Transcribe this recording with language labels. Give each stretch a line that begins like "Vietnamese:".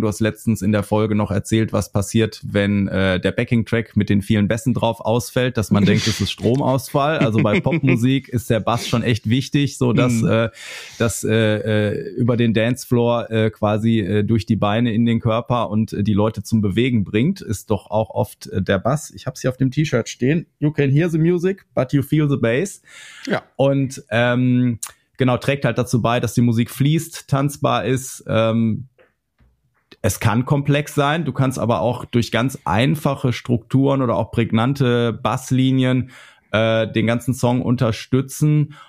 German: Du hast letztens in der Folge noch erzählt, was passiert, wenn der Backing-Track mit den vielen Bässen drauf ausfällt, dass man denkt, es ist Stromausfall. Also bei Popmusik ist der Bass schon echt wichtig, so dass über den Dancefloor durch die Beine in den Körper und die Leute zum Bewegen bringt, ist doch auch oft der Bass. Ich habe es hier auf dem T-Shirt stehen.
English: You can hear the music, but you feel the bass.
German: Ja. Und genau, trägt halt dazu bei, dass die Musik fließt, tanzbar ist. Es kann komplex sein. Du kannst aber auch durch ganz einfache Strukturen oder auch prägnante Basslinien den ganzen Song unterstützen.